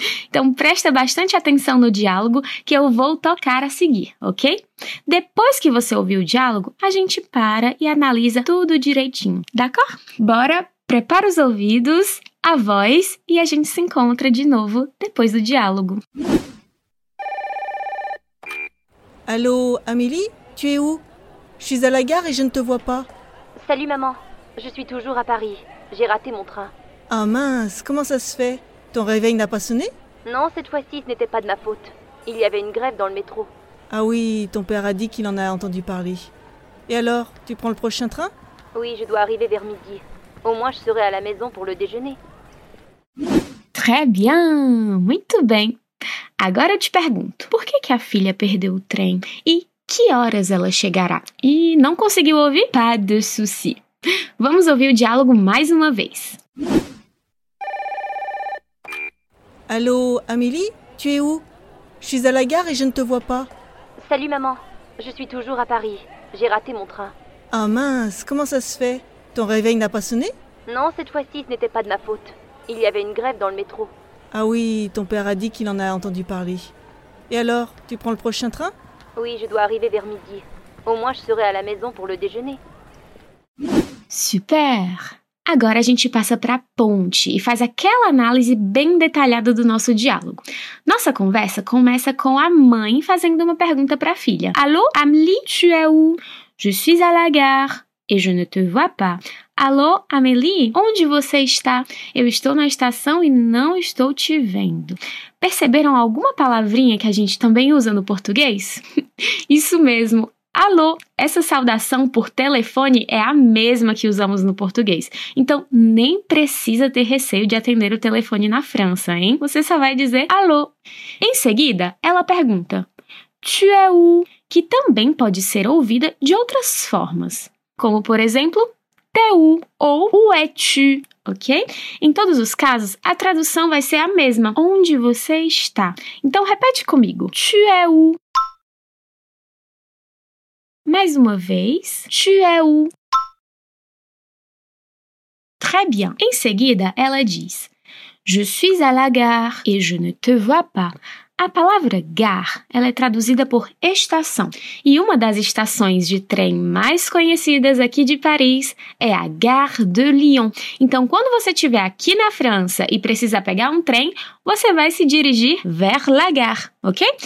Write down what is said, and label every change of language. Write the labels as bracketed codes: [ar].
[pt] Então presta bastante atenção no diálogo que eu vou tocar a seguir, ok? Depois que você ouvir o diálogo, a gente para e analisa tudo direitinho, d'accord? Bora, prepara os ouvidos, a voz e a gente se encontra de novo depois do diálogo. [fr] Allô, Amélie, tu es où? Je suis à la gare et je ne te vois pas. Salut maman, je suis toujours à Paris. J'ai raté mon train. Ah mince, comment ça se fait? Ton réveil n'a pas sonné? Non, cette fois-ci, ce n'était pas de ma faute. Il y avait une grève dans le métro. Ah oui, ton père a dit qu'il en a entendu parler. Et alors, tu prends le prochain train? Oui, je dois arriver vers midi. Au moins, je serai à la maison pour le déjeuner. Très bien, [pt] muito bem. Agora eu te pergunto, por que a filha perdeu o trem e que horas ela chegará? E não conseguiu ouvir? [fr] Pas de souci. [pt] Vamos ouvir o diálogo mais uma vez. [fr] Allô, Amélie, tu es où? Je suis à la gare et je ne te vois pas. Salut maman, je suis toujours à Paris. J'ai raté mon train. Ah mince, comment ça se fait? Ton réveil n'a pas sonné? Non, cette fois-ci, ce n'était pas de ma faute. Il y avait une grève dans le métro. Ah oui, ton père a dit qu'il en a entendu parler. Et alors, tu prends le prochain train? Oui, je dois arriver vers midi. Au moins, je serai à la maison pour le déjeuner. [pt] Super! Agora a gente passa para a ponte e faz aquela análise bem detalhada do nosso diálogo. Nossa conversa começa com a mãe fazendo uma pergunta para a filha. [fr] Allô, Amélie, tu es où? Je suis à la gare et je ne te vois pas. [pt] Alô, Amélie, onde você está? Eu estou na estação e não estou te vendo. Perceberam alguma palavrinha que a gente também usa no português? Isso mesmo, alô. Essa saudação por telefone é a mesma que usamos no português. Então, nem precisa ter receio de atender o telefone na França, hein? Você só vai dizer alô. Em seguida, ela pergunta, [fr] tu es où? [pt] Que também pode ser ouvida de outras formas. Como, por exemplo, [fr] T'es où? [pt] Ou [fr] où es-tu? [pt] ok? Em todos os casos, a tradução vai ser a mesma. Onde você está? Então, repete comigo. [fr] Tu é où? [pt] Mais uma vez. [fr] Tu é où? Très bien. [pt] Em seguida, ela diz. [fr] Je suis à la gare et je ne te vois pas. [pt] A palavra gare, ela é traduzida por estação. E uma das estações de trem mais conhecidas aqui de Paris é a Gare de Lyon. Então, quando você estiver aqui na França e precisa pegar um trem, você vai se dirigir [fr] vers la gare, [pt] ok?